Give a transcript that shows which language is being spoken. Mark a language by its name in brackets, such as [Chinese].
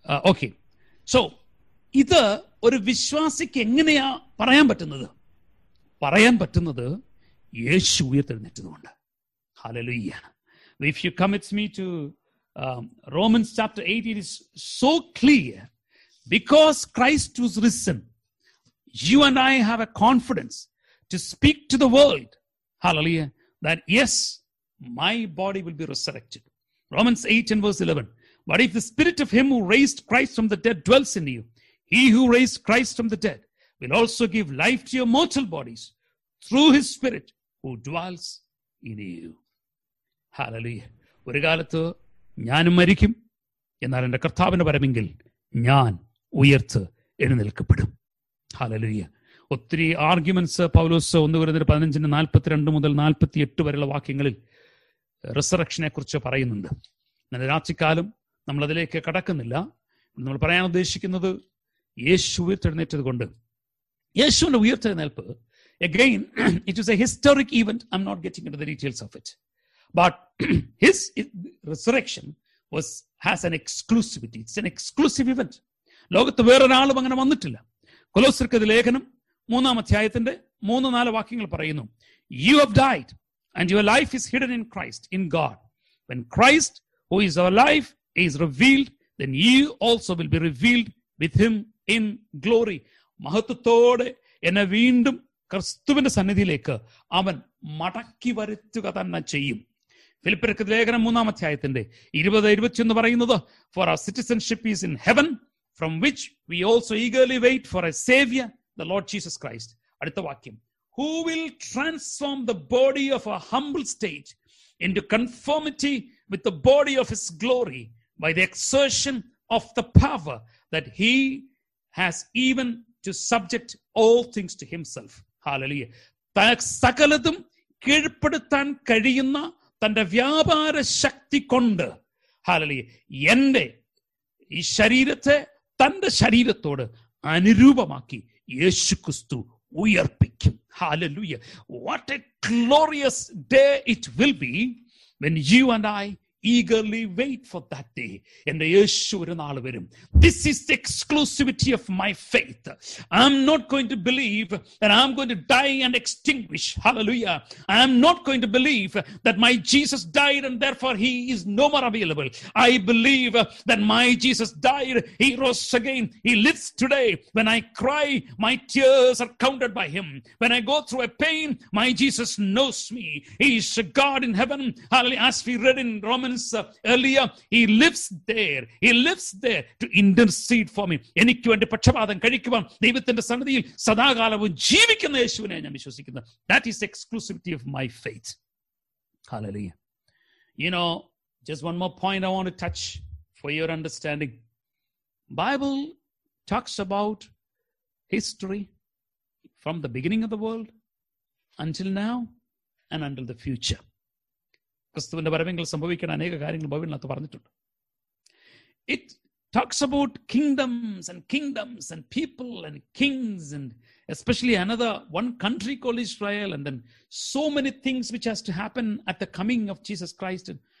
[Malayalam] Okay, so ഇത് ഒരു വിശ്വാസിക്ക് എങ്ങനെയാ പറയാൻ പറ്റുന്നത്? പറയാൻ പറ്റുന്നത് യേശു ഉയർത്തെഴുന്നേറ്റതുകൊണ്ട്. Hallelujah. [English] If you commit me to Romans chapter 8, it is so clear, because Christ was risen, you and I have a confidence to speak to the world, hallelujah, that yes, my body will be resurrected. Romans 8 and verse 11, but if the spirit of him who raised Christ from the dead dwells in you, he who raised Christ from the dead will also give life to your mortal bodies through his spirit who dwells in you. [Malayalam] ഹാലലുയ്യ. ഒരു കാലത്ത് ഞാനും മരിക്കും, എന്നാൽ എൻ്റെ കർത്താവിൻ്റെ പരമെങ്കിൽ ഞാൻ ഉയർത്ത് എഴുന്നേൽക്കപ്പെടും. ഹാലലുയ്യ. ഒത്തിരി ആർഗ്യുമെന്റ്സ് പൗലോസ് 1 Corinthians 15:42-48 വരെയുള്ള വാക്യങ്ങളിൽ റിസറക്ഷനെ കുറിച്ച് പറയുന്നുണ്ട്. ഇന്നലെ രാത്രിക്കാലം നമ്മളതിലേക്ക് കടക്കുന്നില്ല. നമ്മൾ പറയാൻ ഉദ്ദേശിക്കുന്നത് യേശു ഉയർത്തെഴുന്നേറ്റത് കൊണ്ട്. യേശുവിൻ്റെ ഉയർത്തെഴുന്നേൽപ്പ്, [English] Again, it is a historic event. I am not getting into the details of it. But his resurrection has an exclusivity. It's an exclusive event. [Malayalam] ലോകത്ത് വേറൊരാളും അങ്ങനെ വന്നിട്ടില്ല. കൊലോസർക്കത് ലേഖനം 3:3-4 വാക്യങ്ങൾ പറയുന്നു, [English] You have died and your life is hidden in Christ, in God. When Christ, who is our life, is revealed, then you also will be revealed with him in glory. [Malayalam] മഹത്വത്തോടെ എന്നെ വീണ്ടും ക്രിസ്തുവിന്റെ സന്നിധിയിലേക്ക് അവൻ മടക്കി വരുത്തുക തന്നെ ചെയ്യും. ഫിലിപ്പിയർക്ക് ലേഖനം 3:20-21 പറയുന്നത്, [English] For our citizenship is in heaven, from which we also eagerly wait for a saviour, the Lord Jesus Christ. [Malayalam] അടുത്ത വാക്യം, [English] Who will transform the body of a humble state into conformity with the body of his glory by the exertion of the power that he has even to subject all things to himself. Hallelujah. [Malayalam] സകലതും കീഴ്പ്പെടുത്താൻ കഴിയുന്ന തന്റെ വ്യാപാര ശക്തി കൊണ്ട്, hallelujah, എന്റെ ഈ ശരീരത്തെ തന്റെ ശരീരത്തോട് അനുരൂപമാക്കി യേശു ക്രിസ്തു ഉയർപ്പിക്കും. Hallelujah. [English] What a glorious day it will be when you and I eagerly wait for that day. [Malayalam] എന്റെ യേശു ഒരു നാൾ വരും. [English] This is the exclusivity of my faith. I'm not going to believe that I'm going to die and extinguish. Hallelujah. I'm not going to believe that my Jesus died and therefore he is no more available. I believe that my Jesus died, he rose again, he lives today. When I cry, my tears are counted by him. When I go through a pain, my Jesus knows me. He is a God in heaven. Hallelujah. As we read in Romans earlier, he lives there to intercede for me. [Malayalam] എനിക്ക് വേണ്ടി പക്ഷപാതം കഴിക്കുവാൻ ദൈവത്തിന്റെ സന്നിധിയിൽ സദാകാലവും ജീവിക്കുന്ന യേശുവിനെ ഞാൻ വിശ്വസിക്കുന്നു. [English] That is exclusivity of my faith. Hallelujah. You know, just one more point I want to touch for your understanding. Bible talks about history from the beginning of the world until now and until the future. [Malayalam] ക്രിസ്തുവിന്റെ വരവെങ്കിൽ സംഭവിക്കുന്ന അനേക കാര്യങ്ങൾ ഭവനകത്ത് പറഞ്ഞിട്ടുണ്ട്. [English] It talks about kingdoms and people and kings and especially another one country call Israel and then so many things which has to happen at the coming of Jesus Christ.